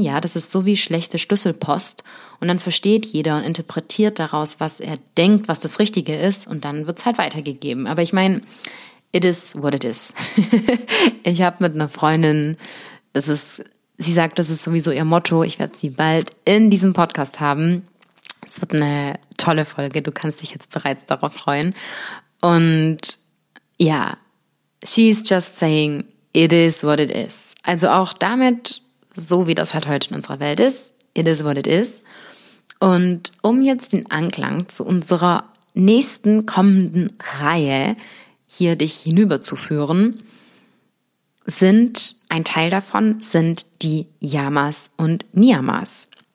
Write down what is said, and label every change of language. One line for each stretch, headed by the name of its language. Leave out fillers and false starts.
German: Ja, das ist so wie schlechte Schlüsselpost. Und dann versteht jeder und interpretiert daraus, was er denkt, was das Richtige ist. Und dann wird es halt weitergegeben. Aber ich meine,
English: it is what it is.
German: Ich habe mit einer Freundin, sie sagt, das ist sowieso ihr Motto. Ich werde sie bald in diesem Podcast haben. Es wird eine tolle Folge. Du kannst dich jetzt bereits darauf freuen. Und ja,
English: she's just saying, it is what it is.
German: Also auch damit, so wie das halt heute in unserer Welt ist,
English: it is what it is.
German: Und um jetzt den Anklang zu unserer nächsten kommenden Reihe hier dich hinüberzuführen, ein Teil davon sind die Yamas und Niyamas.